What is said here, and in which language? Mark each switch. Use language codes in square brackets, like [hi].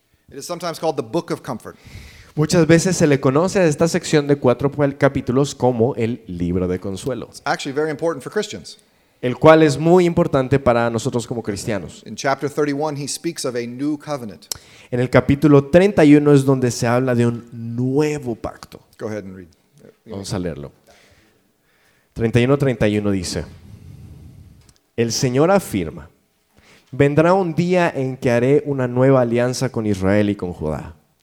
[en] It is sometimes called the book of comfort. [es] Muchas veces se le conoce a esta sección de 4 capítulos como el libro de consuelo. [en] It's actually very important for Christians. [es] El cual es muy importante para nosotros como cristianos. [en] In chapter 31, he speaks of a new covenant. [es] En el capítulo 31 es donde se habla de un nuevo pacto. [en] Go ahead and read. [es] Vamos a leerlo. 31:31 dice, el Señor afirma, vendrá un día en que haré una nueva alianza con Israel y con Judá.